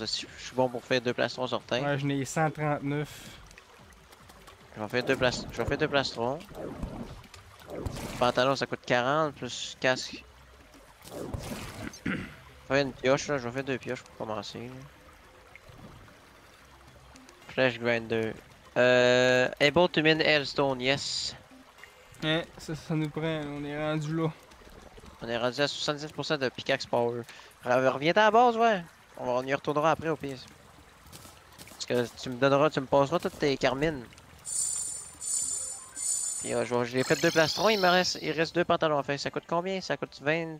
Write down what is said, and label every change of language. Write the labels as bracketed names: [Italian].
[French] Je suis bon pour faire deux plastrons sur terre. Ouais, je n'ai 139. Je vais faire deux plastrons. Je vais faire deux plastrons. Pantalon, ça coûte 40 plus casque. Je vais faire une pioche là, je vais faire deux pioches pour commencer. Là. [English] Flash Grinder. Able to mine Hellstone, yes. [French] Eh, ça nous prend, on est rendu là. On est rendu à 77% de pickaxe power. Reviens à la base, ouais. On y retournera après au pire. Parce que tu me passeras toutes tes carmines. Puis j'ai fait deux plastrons, il reste deux pantalons. Enfin, ça coûte combien? Ça coûte 20?